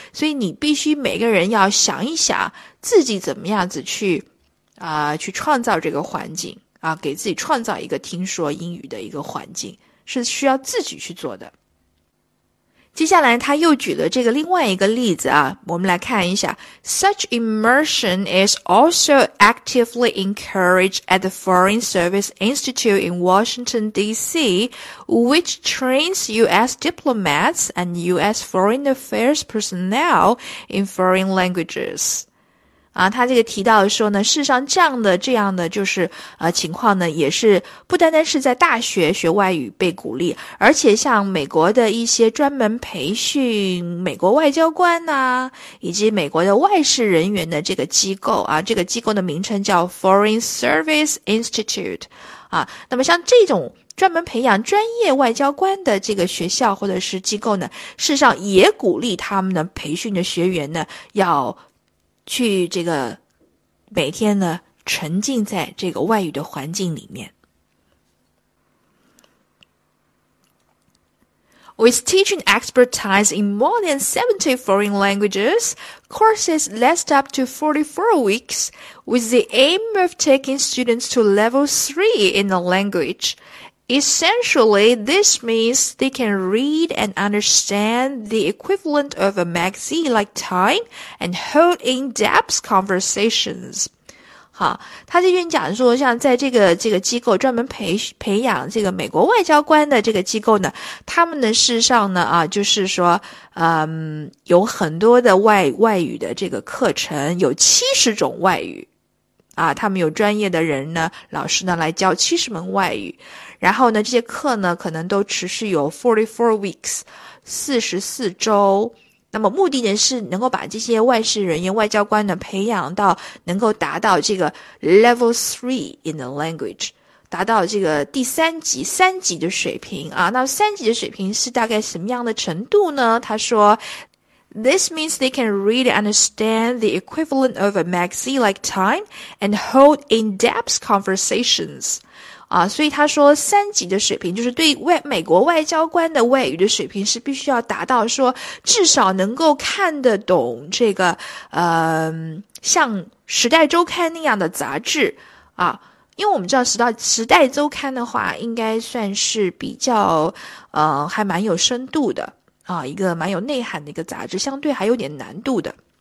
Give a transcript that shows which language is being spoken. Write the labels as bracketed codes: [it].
[zh] 所以你必须每个人要想一想自己怎么样子去。去创造这个环境啊，给自己创造一个听说英语的一个环境，是需要自己去做的。接下来他又举了这个另外一个例子啊，我们来看一下。 [en] Such immersion is also actively encouraged at the Foreign Service Institute in Washington, D.C., which trains U.S. diplomats and U.S. foreign affairs personnel in foreign languages. [zh] 啊，他这个提到说呢，事实上这样的就是情况呢，也是不单单是在大学学外语被鼓励，而且像美国的一些专门培训美国外交官呐，以及美国的外事人员的这个机构啊，这个机构的名称叫 Foreign Service Institute 啊，那么像这种专门培养专业外交官的这个学校或者是机构呢，事实上也鼓励他们的培训的学员呢要。去这个每天呢，沉浸在这个外语的环境里面。 [en] With teaching expertise in more than 70 foreign languages, courses last up to 44 weeks, with the aim of taking students to level 3 in the language. Essentially, this means they can read and understand the equivalent of a magazine like Time and hold in-depth conversations. [zh] 好，他这边讲说，像在这个机构专门培养这个美国外交官的这个机构呢，他们呢事实上呢啊，就是说，有很多的外语的这个课程，有70种外语啊，他们有专业的人呢，老师呢来教70门外语。然后呢，这些课呢，可能都持续有 [en] 44 weeks， [zh] 44周。那么目的呢，是能够把这些外事人员、外交官呢，培养到能够达到这个 [en] level three in the language， [zh] 达到这个第三级、三级的水平啊。那三级的水平是大概什么样的程度呢？他说。 [en] This means they can read and understand the equivalent of a magazine like Time and hold in-depth conversations. [zh] 啊，所以他说三级的水平，就是对美国外交官的外语的水平是必须要达到说至少能够看得懂这个像《时代周刊》那样的杂志啊。因为我们知道时代周刊的话，应该算是比较，还蛮有深度的啊，一个蛮有内涵的一个杂志，相对还有点难度的。